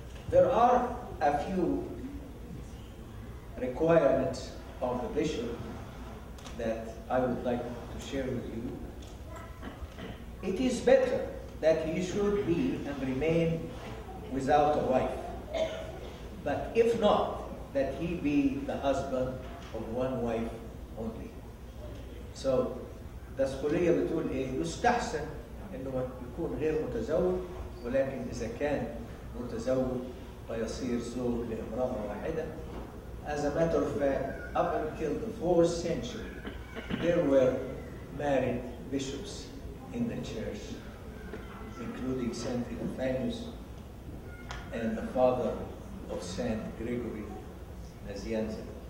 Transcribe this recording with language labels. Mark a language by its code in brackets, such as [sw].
[en] There are a few requirements of the bishop that I would like to share with you. It is better that he should be and remain without a wife, but if not, that he be the husband of one wife only. [ar] So, الدسقلية بتقول إيه؟ يستحسن إنه يكون غير متزوج، ولكن إذا كان متزوج فيصير زوج لامرأة واحدة. [en] As a matter of fact, up until the 4th century, there were married bishops in the church, including Saint Epiphanius and the father of Saint Gregory Nazianzen.